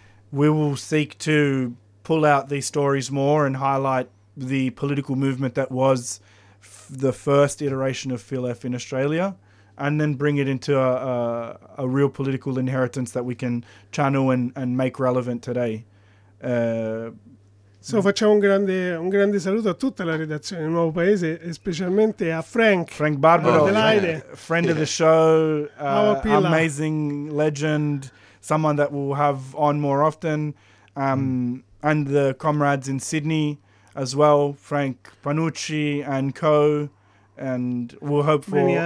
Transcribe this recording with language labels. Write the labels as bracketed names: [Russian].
[English] We will seek to pull out these stories more and highlight the political movement that was the first iteration of Filef in Australia, and then bring it into a real political inheritance that we can channel and make relevant today. [Italian] Facciamo un grande saluto a tutta la redazione del Nuovo Paese, specialmente a Frank [English] Barbaro, friend of the show, amazing legend, someone that we'll have on more often, and the comrades in Sydney as well, Frank Panucci and co, and we'll hope for